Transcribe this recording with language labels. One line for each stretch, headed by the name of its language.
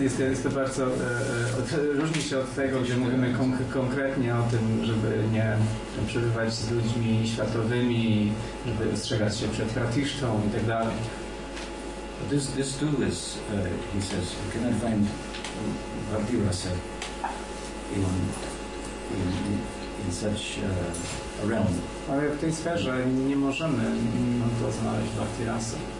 Polish: Jest to bardzo różni się od tego, gdzie mówimy konkretnie o tym, żeby nie przebywać z ludźmi światowymi, żeby ostrzegać się przed Pratisztą i tak dalej.
English: This too is, he says, you cannot find Bhakti Rasa in such a realm.
Polish: Ale w tej sferze nie możemy to znaleźć Bhakti Rasa.